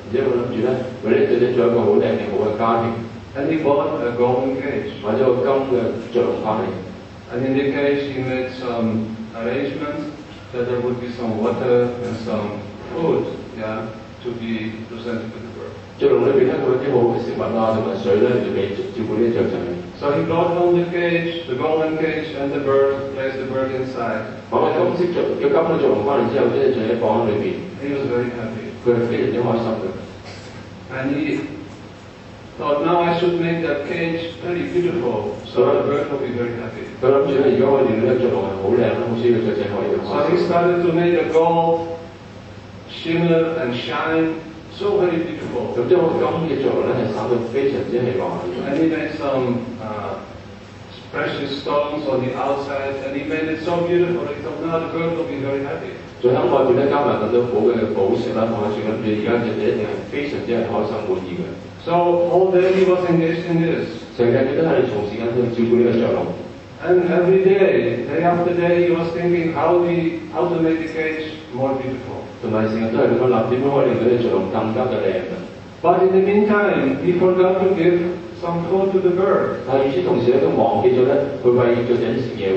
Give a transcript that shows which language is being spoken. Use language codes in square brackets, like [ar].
[yue] 結果諗住咧，揾一隻雀仔，一個好靚嘅好嘅家庭。And [en] he bought a golden cage. [yue] 揾咗個金嘅雀籠翻嚟。And [en] in the cage, he made some arrangements that there would be some water and some food, to be presented to the bird. [yue] 雀籠裏邊咧，佢有啲好嘅食物啊，同埋水咧，嚟照顧呢只雀仔。 [en] So he brought home the cage, the golden cage, and the bird, placed the bird inside. [yue] 我咁識雀，要金嘅雀籠翻嚟之後，呢只雀仔放喺裏邊。 [en] He was very happy. [yue] 佢係非常之開心嘅。 [en] And he thought, now I should make that cage very beautiful, so the bird will be very happy. [yue] 佢諗住咧，如果我連呢只雀籠係好靚，咁好似呢只雀仔可以。 [en] So he started to make a goal, shimmer and shine, so very beautiful. [yue] 咁即係我金嘅雀籠咧，係生得非常之係華麗。And [en] he made some precious stones on the outside, and he made it so beautiful. He thought, now the bird will be very happy. [yue] 仲喺外邊咧加埋咁多寶嘅寶石啦，放喺住咁，而家就一定係非常之係開心滿意嘅。 [en] So all day he was engaged in this. [yue] 成日佢都係從時間都照顧呢個雀籠。 [en] And every day, day after day, he was thinking how to make the cage more beautiful. [yue] 同埋成日都係咁樣諗，點樣可以令到呢個雀籠更加嘅靚嘅。 [en] But in the meantime, he forgot to give some food to the bird. [yue] 但與此同時咧，都忘記咗咧，去喂雀仔食嘢。